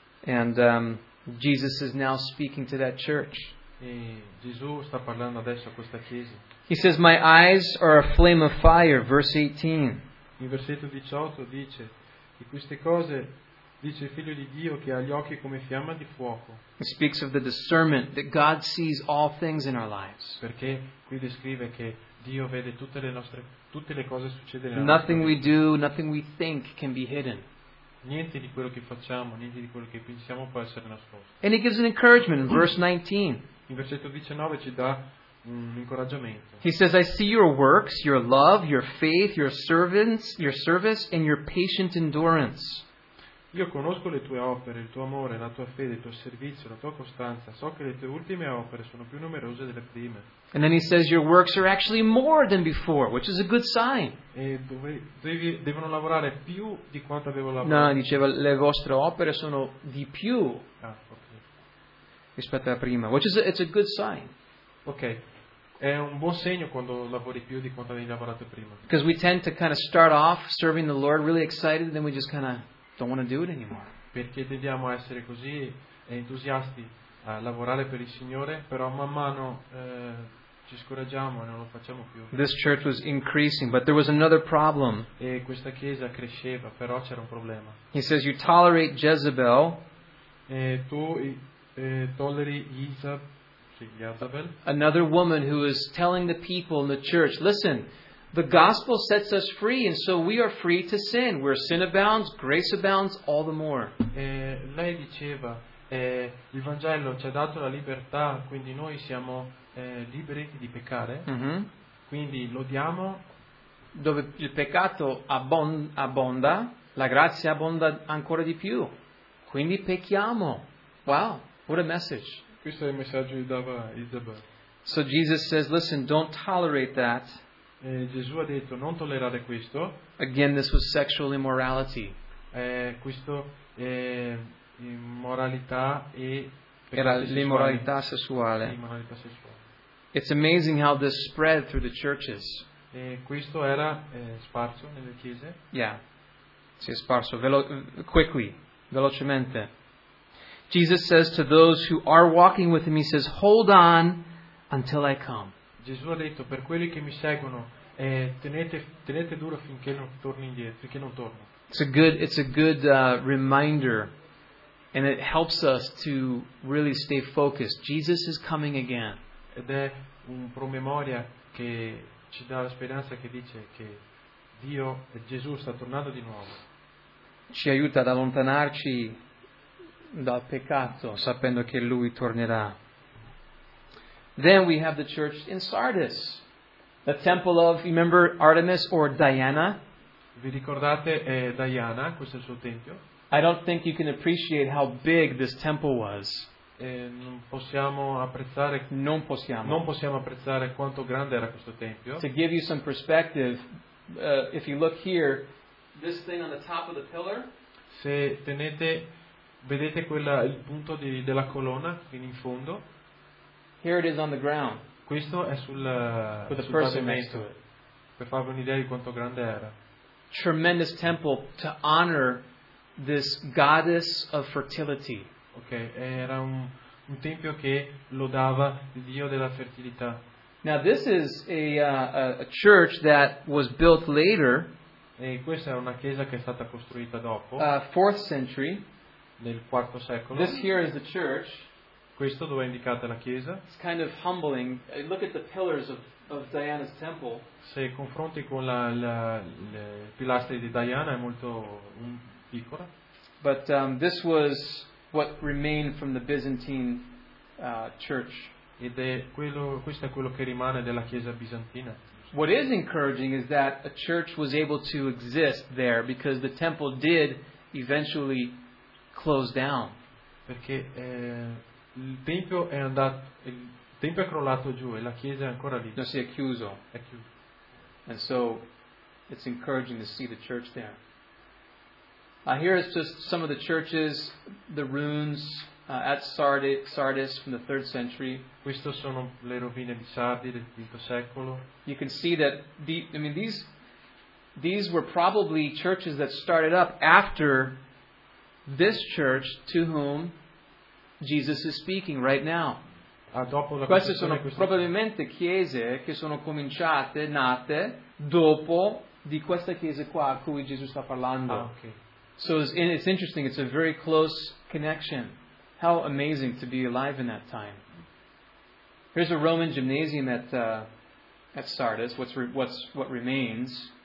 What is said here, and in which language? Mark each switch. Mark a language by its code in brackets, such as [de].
[en] And Jesus is now speaking to that church. [it] E Gesù sta parlando adesso a questa chiesa. [en] He says, "My eyes are a flame of fire." Verse 18. [it] In versetto 18 dice di queste cose dice il Figlio di Dio che ha gli occhi come fiamma di fuoco. [en] He speaks of the discernment that God sees all things in our lives. [it] Perché qui descrive che Dio vede tutte le nostre. [en] Nothing we do, nothing we think can be hidden. [it] Niente di quello che facciamo, niente di quello che pensiamo può essere nascosto. [en] And he gives an encouragement in verse 19. [it] in versetto 19 ci dà un incoraggiamento. [en] He says, I see your works, your love, your faith, your servants, your service and your patient endurance. [it] Io conosco le tue opere, il tuo amore, la tua fede, il tuo servizio, la tua costanza. So che le tue ultime opere sono più numerose delle prime. [en] And then he says your works are actually more than before, which is a good sign. [it] E devono lavorare più di quanto avevo lavorato. No, diceva le vostre opere sono di più. Ah, ok. Rispetto alla prima, [en] which is a, it's a good sign. Ok. [it] È un buon segno quando lavori più di quanto avevi lavorato prima. [en] Because we tend to kind of start off serving the Lord really excited, then we just kind of don't want to do it anymore. [it] Perché tendiamo a essere così entusiasti a lavorare per il Signore, però man mano ci scoraggiamo e non lo facciamo più. [en] This church was increasing, but there was another problem. [it] E questa chiesa cresceva, però c'era un problema. [en] He says you tolerate Jezebel. [it] E tu tolleri Jezebel. [en] Another woman who is telling the people in the church, listen, the gospel sets us free, and so we are free to sin. Where sin abounds, grace abounds all the more. [it] Lei diceva, il Vangelo ci ha dato la libertà, quindi noi siamo liberi di peccare. Mm-hmm. Quindi lodiamo. Dove il peccato abbonda, la grazia abbonda ancora di più. Quindi pecchiamo. [en] Wow, what a message. [it] Questo è il messaggio che dava Isabel. [en] So Jesus says, listen, don't tolerate that. [it] E Gesù ha detto non tollerare questo. [en] Again, this was sexual immorality. [it] Questo è immoralità e era l'immoralità sessuale. Immoralità sessuale. [en] It's amazing how this spread through the churches. [it] E questo era sparso nelle chiese. Yeah, si è sparso velocemente. [en] Jesus says to those who are walking with him, he says, hold on until I come. [it] Gesù ha detto per quelli che mi seguono tenete duro finché non torni indietro, finché non torno. [en] It's a good reminder, and it helps us to really stay focused. Jesus is coming again. [it] Ed è un promemoria che ci dà la speranza, che dice che Dio e Gesù sta tornando di nuovo. Ci aiuta ad allontanarci dal peccato sapendo che lui tornerà. [en] Then we have the church in Sardis. The temple of, you remember Artemis or Diana? [it] Vi ricordate Diana, questo è il suo tempio? [en] I don't think you can appreciate how big this temple was. [it] Non possiamo apprezzare quanto grande era questo tempio. [en] To give you some perspective, if you look here, this thing on the top of the pillar. [it] Se vedete il punto della colonna in fondo. [en] Here it is on the ground. [it] Questo è sul pavimento. Per farvi un'idea di quanto grande era. [en] Tremendous temple to honor this goddess of fertility. [it] Okay, era un tempio che lodava il dio della fertilità. [en] Now this is a church that was built later. [it] E questa è una chiesa che è stata costruita dopo. [en] Fourth century. [it] Nel quarto secolo. [en] This here is the church. [it] Questo dove è indicata la chiesa. [en] It's kind of humbling. Look at the pillars of Diana's temple. [it] Se confronti con le pilastri di Diana è molto piccola. [en] But this was what remained from the Byzantine church. [it] Ed è questo è quello che rimane della chiesa bizantina. [en] What is encouraging is that a church was able to exist there because the temple did eventually close down. [it] Perché il tempio è crollato giù e la chiesa è ancora lì. No, si è chiuso. È chiuso. [en] And so it's encouraging to see the church there. Here is just some of the churches, the ruins at Sardis from the 3rd century. [it] Queste sono le rovine di Sardi del 5 secolo. [en] You can see that these were probably churches that started up after this church to whom Jesus is speaking right now. [it] Queste sono probabilmente chiese che sono cominciate, nate dopo di questa chiesa qua a cui Gesù sta parlando. Ah, okay. [en] So it's interesting, it's a very close connection. How amazing to be alive in that time. Here's a Roman gymnasium at Sardis, what remains.